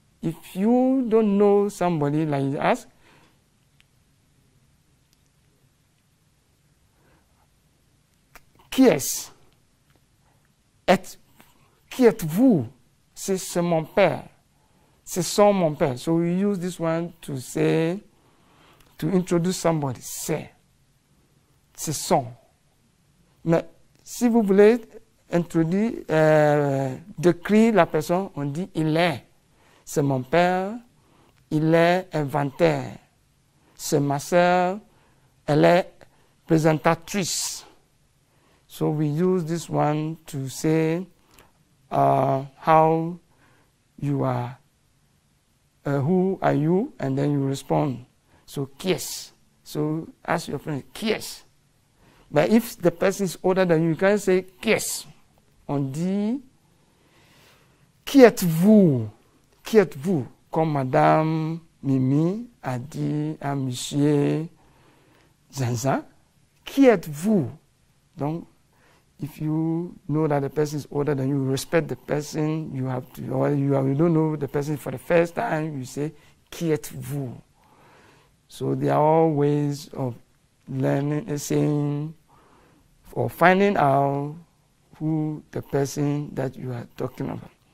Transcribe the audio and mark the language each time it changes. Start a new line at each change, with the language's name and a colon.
English: If you don't know somebody like us,
French: qui est-ce? Qui êtes-vous? C'est mon père. C'est son mon père.
English: So we use this one to say, to introduce somebody.
French: C'est son. Mais si vous voulez introduire, décrire la personne, on dit il est. C'est mon père, il est inventeur. C'est ma sœur, elle est présentatrice.
English: So we use this one to say how you are. Who are you? And then you respond. So, yes. So, ask your friend, yes. But if the person is older than you, you can say, yes.
French: On dit, qui êtes-vous? Qui êtes-vous? Comme Madame Mimi a dit à Monsieur Zinzin, qui êtes-vous?
English: Donc, if you know that the person is older than you, respect the person, you have to, or you don't know the person for the first time, you say,
French: qui êtes-vous?
English: So there are all ways of learning, saying, or finding out who the person that you are talking about.